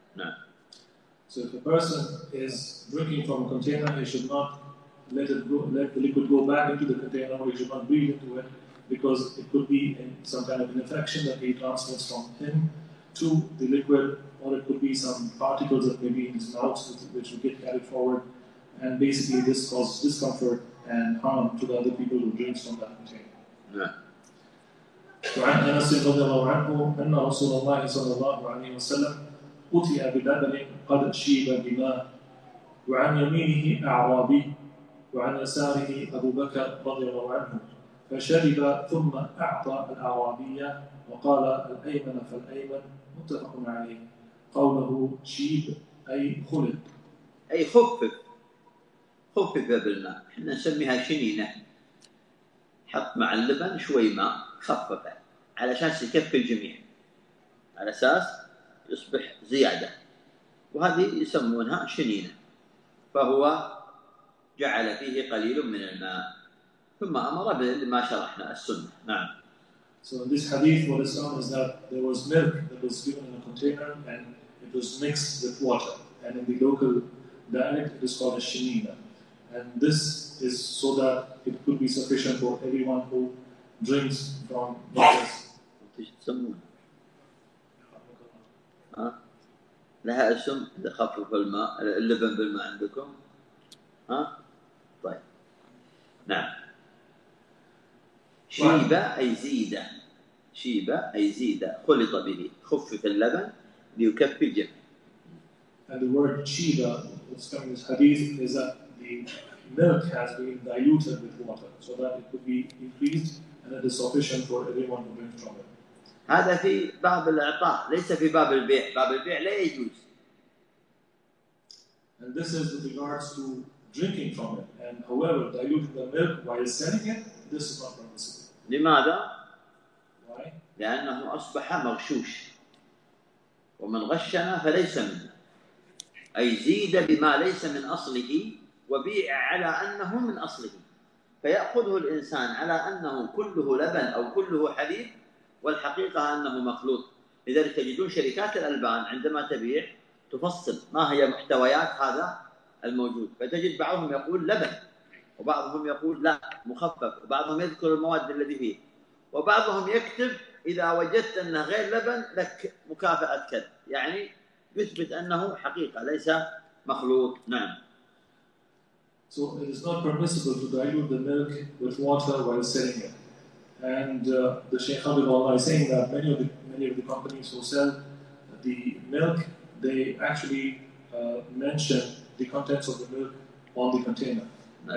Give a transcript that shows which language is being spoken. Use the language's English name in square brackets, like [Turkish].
[Arabic] نعم. [English] So if a person is drinking from a container, he should not let it go, let the liquid go back into the container, or he should not breathe into it, because it could be in some kind of an infection that he transmits from him to the liquid, or it could be some particles that may be in his mouth which will get carried forward, and basically this causes discomfort and harm to the other people who drink from that container. [Arabic] وعن أنس رضي الله عنه أن رسول الله صلى الله عليه وسلم قتي بلبن قد شيب دماء، وعن يمينه أعرابي، وعن يساره أبو بكر رضي الله عنه، فشرب ثم أعطى الأعرابية وقال الأيمن فالأيمن، متفق عليه. قوله شيب أي خلق، أي خفف، خفف بالماء، احنا نسميها شنينة، حط مع اللبن شوي ماء خففه على أساس يكفي الجميع، على أساس يصبح زيادة، وهذه يسمونها شنينة، فهو جعل فيه قليل من الماء ثم أمر بما شرحنا السنة. نعم. [English] So in this hadith what is known is that there was milk that was given in a container and it was mixed with water, and in the local dialect it is called a shinina, and this is so that it could be sufficient for everyone who drinks from this. [Arabic] تسمون لها اسم إذا خفف الماء اللبن بالماء عندكم؟ ها؟ طيب. نعم. شيبة أي زيدة، شيبة أي زيدة، خلط به، خفف اللبن ليكفي الجميع. [English] And the word shiba, what's coming in this hadith, is that the milk has been diluted with water so that it could be increased and it is sufficient for everyone who drinks from it. [Arabic] هذا في باب الإعطاء، ليس في باب البيع، باب البيع لا يجوز. [English] And this is with regards to drinking from it. And however, diluting the milk while selling it, this is not permissible. [Arabic] لماذا؟ [English] Why? [Arabic] لأنه أصبح مغشوش. ومن غشنا فليس منا. أي زيد بما ليس من أصله وبيع على أنه من أصله. فيأخذه الإنسان على أنه كله لبن أو كله حليب، والحقيقة أنه مخلوط. لذلك تجدون شركات الألبان عندما تبيع تفصل ما هي محتويات هذا الموجود، فتجد بعضهم يقول لبن وبعضهم يقول لا مخفف، وبعضهم يذكر المواد التي فيه، وبعضهم يكتب إذا وجدت أنه غير لبن لك مكافأة كذا، يعني يثبت أنه حقيقة ليس مخلوط. نعم. [English] So it is not permissible to dilute the milk with water while selling it. And the Shaykh Habibullah is saying that many of the companies who sell the milk, they actually mention the contents of the milk on the container. Nice.